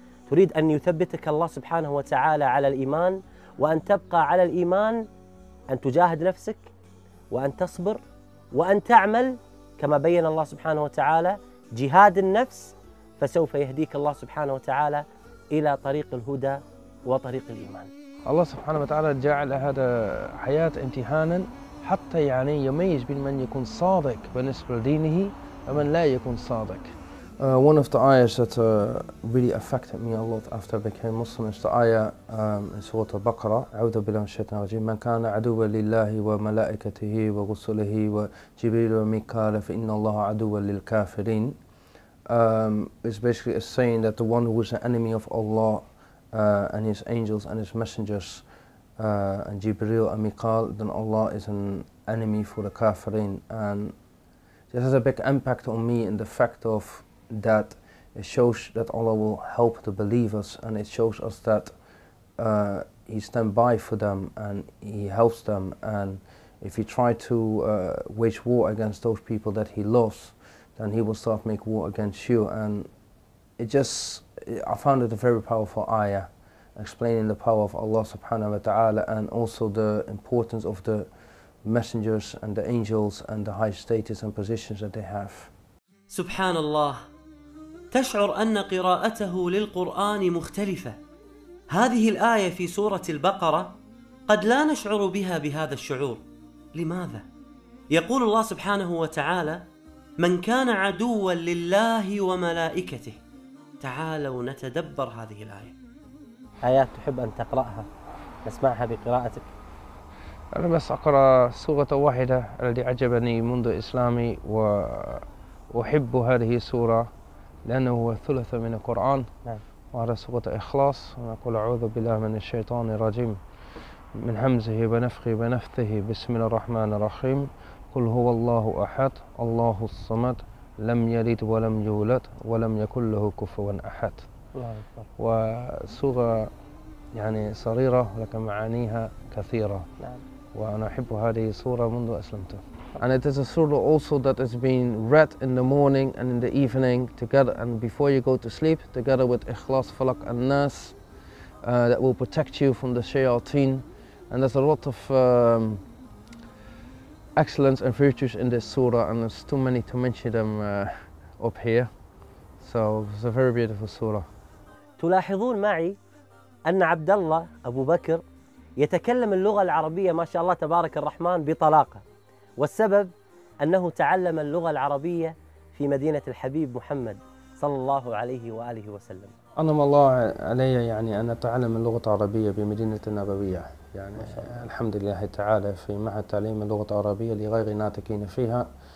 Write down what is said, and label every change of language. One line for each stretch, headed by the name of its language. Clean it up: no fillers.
Arabic: تريد أن يثبتك الله سبحانه وتعالى على الإيمان، وأن تبقى على الإيمان أن تجاهد نفسك وأن تصبر وأن تعمل كما بيّن الله سبحانه وتعالى جهاد النفس، فسوف يهديك الله سبحانه وتعالى إلى طريق الهدى وطريق الإيمان. الله سبحانه وتعالى جعل هذا حياة امتحانا حتى يعني يميز بين من يكون صادق بالنسبة لدينه ومن لا يكون صادق.
English: One of the ayahs that really affected me a lot after I became Muslim is the ayah in Surah Al-Baqarah,
Arabic: أعوذ بالله من الشيطان الرجيم، من كان عدوا لله وملائكته ورسله وجبريل وميكائيل فإن الله عدو للكافرين.
English: It's basically a saying that the one who is an enemy of Allah and his angels and his messengers and Jibreel and Mikael, then Allah is an enemy for the kafirin. And this has a big impact on me in the fact of that it shows that Allah will help the believers, and it shows us that he stand by for them and he helps them. And if he try to wage war against those people that he loves, then he will start make war against you. And I found it a very powerful ayah, explaining the power of Allah subhanahu wa ta'ala and also the importance of the messengers and the angels and the high status and positions that they have. Subhanallah.
Arabic: تشعر أن قراءته للقرآن مختلفة. هذه الآية في سورة البقرة قد لا نشعر بها بهذا الشعور، لماذا؟ يقول الله سبحانه وتعالى: من كان عدوا لله وملائكته. تعالوا نتدبر هذه الآية. آيات تحب أن تقرأها، نسمعها بقراءتك. أنا بس أقرأ سورة واحدة التي عجبني منذ إسلامي، وأحب هذه السورة لأنه هو ثلث من القرآن. نعم. وهذا سورة إخلاص، ونقول أعوذ بالله من الشيطان الرجيم، من همزه بنفخه بنفثه، بسم الله الرحمن الرحيم، قل هو الله أحد الله الصمد لم يلد ولم يولد ولم يكن له كفوا أحد. وسورة يعني صغيرة لكن معانيها كثيرة. نعم. وأنا أحب هذه السورة منذ أسلمت.
English: And it is a surah also that has been read in the morning and in the evening together, and before you go to sleep, together with Ikhlas, Falak and Nas, that will protect you from the shayateen. And there's a lot of excellence and virtues in this surah, and there's too many to mention them up here. So it's a very beautiful surah.
Arabic: تلاحظون معي أن عبد الله أبو بكر يتكلم اللغة العربية ما شاء الله تبارك الرحمن بطلاقة، والسبب أنه تعلم اللغة العربية في مدينة الحبيب محمد صلى الله عليه وآله وسلم. أنعم الله علي يعني أن أتعلم اللغة العربية بمدينة النبوية، يعني الحمد لله تعالى في معهد تعليم اللغة العربية لغير ناطقين فيها.